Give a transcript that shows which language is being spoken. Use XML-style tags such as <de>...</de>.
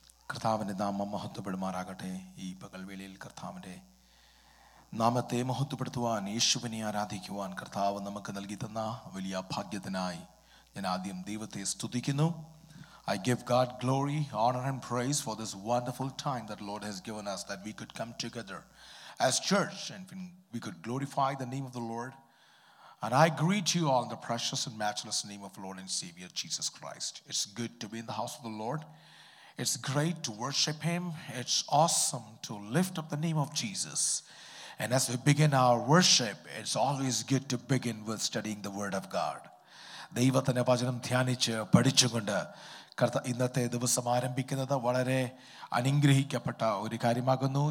<ml>കർത്താവിൻ്റെ നാമം മഹത്വപ്പെടുമാറാകട്ടെ. ഈ പകൽവേളിയിൽ കർത്താവിൻ്റെ നാമത്തെ മഹത്വപ്പെടുത്തുവാൻ, യേശുവിനെ ആരാധിക്കുവാൻ കർത്താവ് നമുക്ക് നൽകി തന്ന വലിയ ഭാഗ്യത്തിനായി ഞാൻ ആദ്യം ദൈവത്തെ സ്തുതിക്കുന്നു.</ml> <en>I give God glory, honor and praise for this wonderful time that Lord has given us that we could come together as church and we could glorify the name of the Lord. And I greet you all in the precious and matchless name of Lord and Savior Jesus Christ. It's good to be in the house of the Lord. It's great to worship Him. It's awesome to lift up the name of Jesus. And as we begin our worship, it's always good to begin with studying the Word of God.</en> <ml>ദൈവത്തിന്റെ വചനം ധ്യാനിച്ച് പഠിച്ചുകൊണ്ട് കർത്ത ഇന്നത്തെ ദിവസം ആരംഭിക്കുന്നത് വളരെ അനുഗ്രഹിക്കപ്പെട്ട ഒരു കാര്യമാകുന്നു.</ml>